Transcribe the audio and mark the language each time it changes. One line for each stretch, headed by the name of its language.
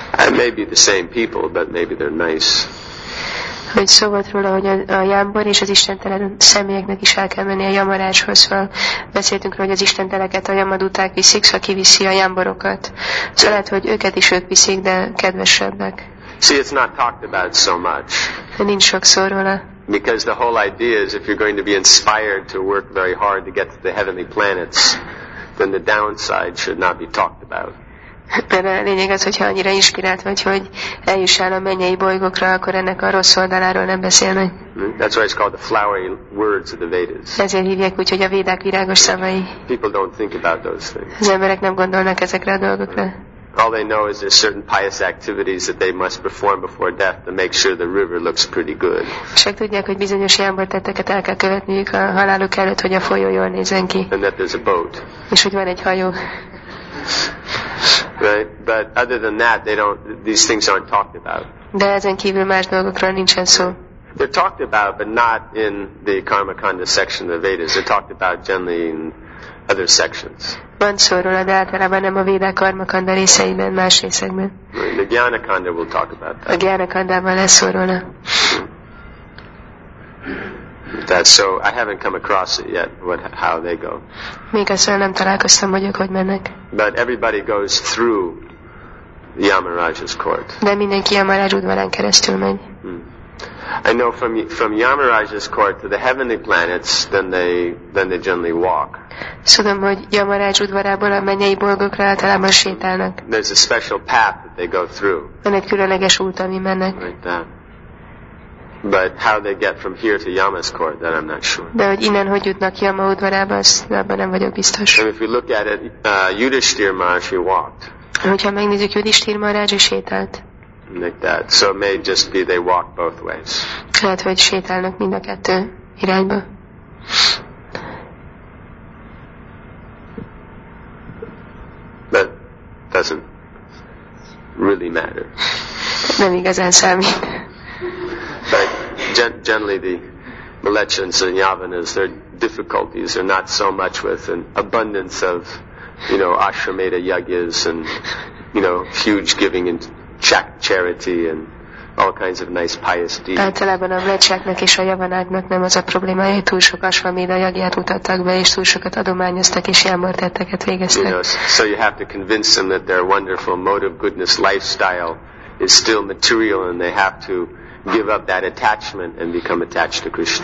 English: Maybe the same people, but maybe they're nice.
Hungarian: Hogy szó volt róla, hogy a jámbor és az istentelen személyeknek is el kell menni a jamarácshoz. Szóval beszéltünk róla, hogy az istenteleket a jamaduták viszik, szóval kiviszi a jámborokat. Szóval lehet, hogy őket is ők viszik, de kedvesebbek.
English: See, it's not talked about so much.
Hungarian: Nincs sok szó róla.
English: Because the whole idea is if you're going to be inspired to work very hard to get to the heavenly planets, then the downside should not be talked about.
Hungarian: Mert a lényeg az, hogyha annyira inspirált vagy, hogy eljussál a mennyei bolygókra, akkor ennek a rossz oldaláról nem beszélnek.
English: That's why it's called the flowery words of the Vedas.
Hungarian: Ezért hívják úgy, hogy a Védák virágos szavai.
English: People don't think about those things.
Hungarian: Az emberek nem gondolnak ezekre a dolgokra.
English: All they know is there's certain pious activities that they must perform before death to make sure the river looks pretty good.
Hungarian: Csak tudják, hogy bizonyos jámbortetteket el kell követniük a haláluk előtt, hogy a folyó jól nézzen ki.
English: And that there's a boat.
Hungarian: És hogy van egy hajó.
English: Right? But other than that, these things aren't talked about.
Hungarian: De ezen kívül más dolgokról nincsen szó.
English: They're talked about, but not in the Karmakanda section of the Vedas. They're talked about generally in other sections.
Hungarian: Van szó róla, de általában nem a Védák Karmakanda részeiben, más részekben.
English: Right. The Gyanakanda will talk about that.
Hungarian: A Gyanakandában lesz szó róla.
English: That, so I haven't come across it yet, how they go.
Hungarian: Még azzal nem találkoztam, hogy mennek.
English: But everybody goes through Yamaraj's court.
Hungarian: De mindenki Yamaraj udvarán keresztül megy.
English: I know from Yamaraj's court to the heavenly planets, then they generally walk.
Hungarian: Tudom, hogy Yamaraj udvarából a mennyei bolygókra általában sétálnak.
English: There's a special path that they go through.
Hungarian: Van egy különleges út, ami mennek.
English: Like that. But how they get from here to Yama's court, that I'm not sure.
Hungarian: De hogy innen hogy jutnak Yama udvarába, abban nem vagyok biztos.
English: And if we look at it, Yudhisthir Maharaj, he walked.
Hungarian: Hogyha megnézzük, Yudhisthir Maharaj sétált.
English: Like that. So it may just be they walk both ways.
Hungarian: Lehet, hogy sétálnak mind a kettő irányba.
English: But doesn't really matter.
Hungarian: Nem igazán számít.
English: But generally the Mlechans and Yavanas, their difficulties are not so much with an abundance of, you know, ashrameda yagyas and, you know, huge giving and charity and all kinds of nice pious deeds.
Hungarian: Általában a Mlechaknak és a Yavanáknak nem az a probléma, hogy túl sok ashrameda yagyát mutattak be, és túl sokat adományoztak, és jámbortetteket végeztek.
English: You know, so you have to convince them that their wonderful mode of goodness lifestyle is still material, and they have to give up that attachment and become attached to Krishna.